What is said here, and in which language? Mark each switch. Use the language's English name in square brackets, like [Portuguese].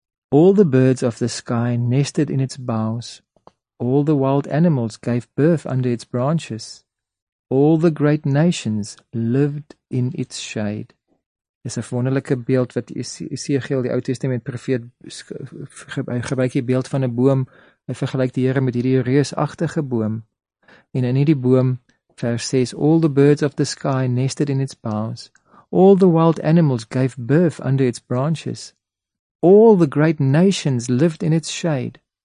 [English] All the birds of the sky nested in its boughs. All the wild animals gave birth under its branches. All the great nations lived in its shade. [Afrikaans] Dis 'n wonderlike beeld wat Esegiel, die Ou Testament profeet, gebruik die beeld van 'n boom. Hy vergelyk die Here met hierdie reusagtige boom. En in hierdie boom, vers 6, [English] all the birds of the sky nested in its boughs. All the wild animals gave birth under its branches. All the great nations lived in its shade.